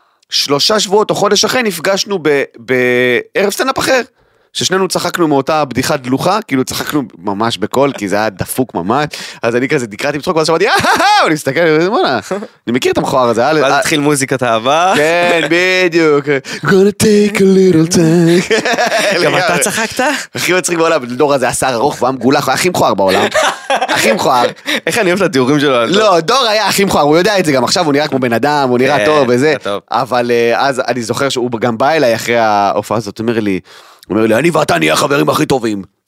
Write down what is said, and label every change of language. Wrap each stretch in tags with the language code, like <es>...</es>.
<he>שלושה שבועות או חודש אחרי נפגשנו בערב סטנדאפ אחר, ששנינו צחקנו מאותה בדיחה דלוחה, כאילו צחקנו ממש בכל, כי זה היה דפוק ממש, אז אני כזה דקראתי בצחוק, ואז שמעתי, ואני מסתכל, אני מכיר את המכוער הזה. ואז התחיל מוזיקת אהבה. כן, בדיוק.</he> <en>Gonna take a little time.</en> <he>גם אתה צחקת? הכי מצחיק בעולם, דור הזה היה שער ארוך ועם גולח, הוא היה הכי מכוער בעולם. הכי מכוער. איך אני אוהב את התיאורים שלו? לא, דור היה הכי מכוער, הוא יודע את זה גם עכשיו, הוא נראה כמו בן אדם, הוא נראה טוב וזה. אבל אז אני זוכר שהוא גם בא אליי אחרי ההופעה הזאת, הוא אומר לי, אני ואתה נהיה החברים הכי טובים.</he>